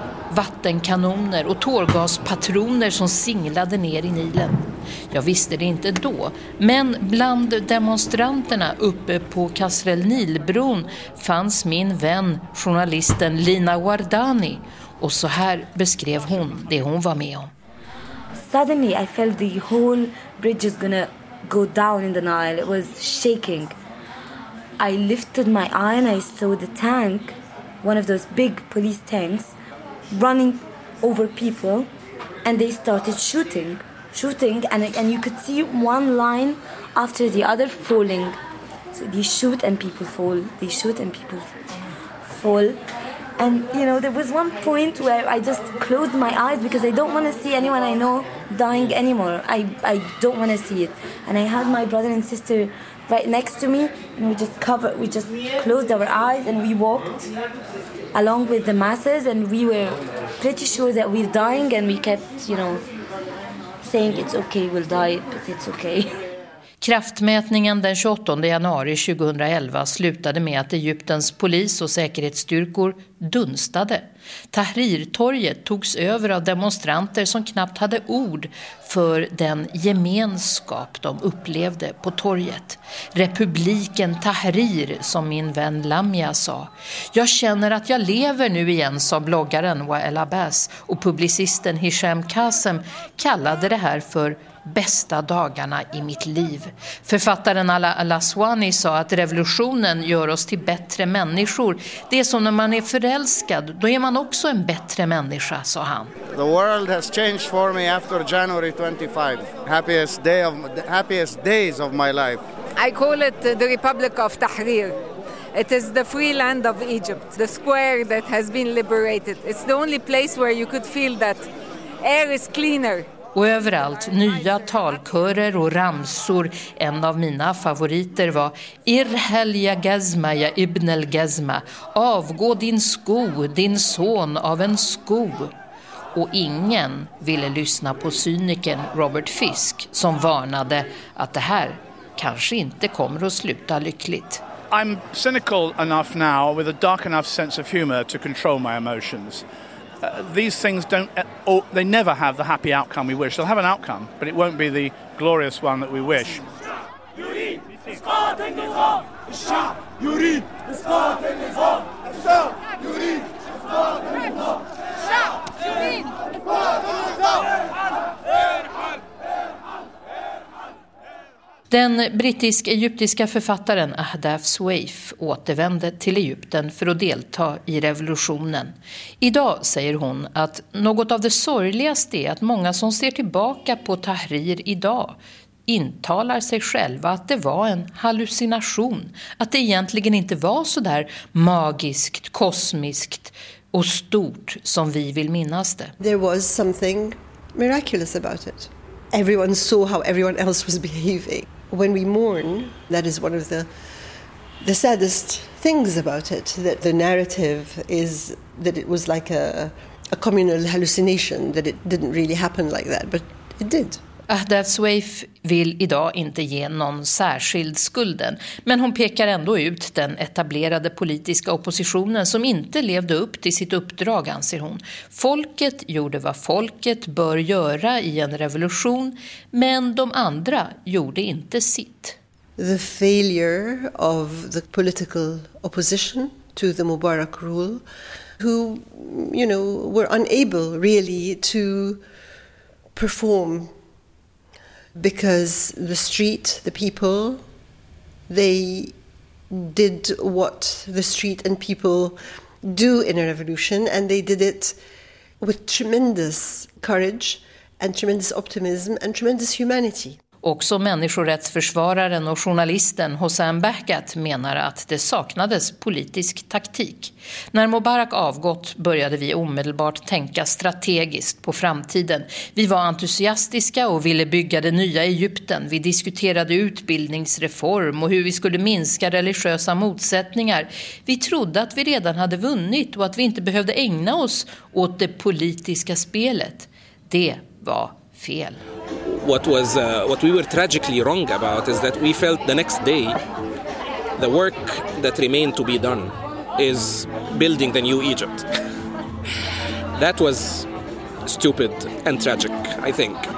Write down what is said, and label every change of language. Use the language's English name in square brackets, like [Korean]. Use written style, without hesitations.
[Swedish] Vattenkanoner och tårgaspatroner som singlade ner i Nilen. Jag visste det inte då, men bland demonstranterna uppe på Kasr el-Nilbron fanns min vän, journalisten Lina Wardani. Och så här beskrev hon det hon var med om. [English] Suddenly I felt the whole bridge is gonna go down in the Nile. It was shaking. I lifted my eye and I saw the tank, one of those big police tanks, running over people and they started shooting. shooting, and you could see one line after the other falling. So they shoot and people fall. They shoot and people fall. And, you know, there was one point where I just closed my eyes because I don't want to see anyone I know dying anymore. I don't want to see it. And I had my brother and sister right next to me, and we just covered, we just closed our eyes, and we walked along with the masses, and we were pretty sure that we're dying, and we kept, you know, saying it's okay, we'll die, but it's okay. [Swedish] Kraftmätningen den 28 januari 2011 slutade med att Egyptens polis och säkerhetsstyrkor dunstade. Tahrir-torget togs över av demonstranter som knappt hade ord för den gemenskap de upplevde på torget. Republiken Tahrir, som min vän Lamia sa. Jag känner att jag lever nu igen, sa bloggaren Wael Abbas, och publicisten Hisham Kasem kallade det här för bästa dagarna i mitt liv. Författaren Ala Alaswani sa att revolutionen gör oss till bättre människor. Det är som när man är förälskad, då är man också en bättre människa, sa han. [English] The world has changed for me after January 25. Happiest days of my life. I call it the Republic of Tahrir. It is the free land of Egypt, the square that has been liberated. It's the only place where you could feel that air is cleaner. [Swedish] Och överallt nya talkörer och ramsor. En av mina favoriter var [Arabic] Irhelja Gazma, ja Ibn el Gazma. [Swedish] Avgå din sko, din son av en sko. Och ingen ville lyssna på cyniken Robert Fisk som varnade att det här kanske inte kommer att sluta lyckligt. [English] I'm cynical enough now with a dark enough sense of humor to control my emotions. These things don't, or they never have the happy outcome we wish. They'll have an outcome, but it won't be the glorious one that we wish. [Swedish] Den brittisk-egyptiska författaren Ahdaf Swaif återvände till Egypten för att delta i revolutionen. Idag säger hon att något av det sorgligaste är att många som ser tillbaka på Tahrir idag intalar sig själva att det var en hallucination. Att det egentligen inte var så där magiskt, kosmiskt och stort som vi vill minnas det. [English] There was something miraculous about it. Everyone saw how everyone else was behaving. When we mourn, that is one of the saddest things about it, that the narrative is that it was like a communal hallucination, that it didn't really happen like that, but it did. [Swedish] Ahdaf Swaif vill idag inte ge någon särskild skulden, men hon pekar ändå ut den etablerade politiska oppositionen som inte levde upp till sitt uppdrag, anser hon. Folket gjorde vad folket bör göra i en revolution, men de andra gjorde inte sitt. [English] The failure of the political opposition to the Mubarak rule, who, you know, were unable really to perform. Because the street, the people, they did what the street and people do in a revolution, and they did it with tremendous courage and tremendous optimism and tremendous humanity. [Swedish] Också människorättsförsvararen och journalisten Hossein Bakat menar att det saknades politisk taktik. När Mubarak avgått började vi omedelbart tänka strategiskt på framtiden. Vi var entusiastiska och ville bygga det nya Egypten. Vi diskuterade utbildningsreform och hur vi skulle minska religiösa motsättningar. Vi trodde att vi redan hade vunnit och att vi inte behövde ägna oss åt det politiska spelet. Det var fel. [English] What we were tragically wrong about is that we felt the next day the work that remained to be done is building the new Egypt. That was stupid and tragic, I think.